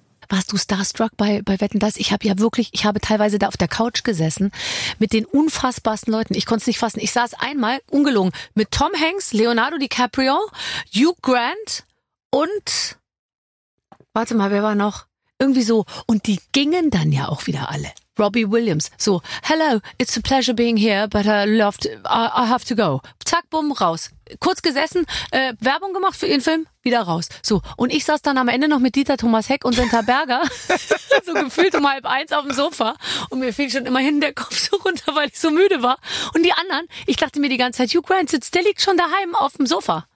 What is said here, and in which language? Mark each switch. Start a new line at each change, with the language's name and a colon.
German: Warst du starstruck bei Wetten, dass? Ich habe teilweise da auf der Couch gesessen mit den unfassbarsten Leuten. Ich konnte es nicht fassen. Ich saß einmal, ungelogen, mit Tom Hanks, Leonardo DiCaprio, Hugh Grant und... Warte mal, wer war noch? Irgendwie so. Und die gingen dann ja auch wieder alle. Robbie Williams.
English: So, hello, it's a pleasure being here, but I have to go.
German: Zack, bumm, raus. Kurz gesessen, Werbung gemacht für ihren Film, wieder raus. So, und ich saß dann am Ende noch mit Dieter Thomas Heck und Senta Berger, so gefühlt um 12:30 auf dem Sofa. Und mir fiel schon immerhin der Kopf so runter, weil ich so müde war. Und die anderen, ich dachte mir die ganze Zeit, Hugh Grant sitzt, der liegt schon daheim auf dem Sofa.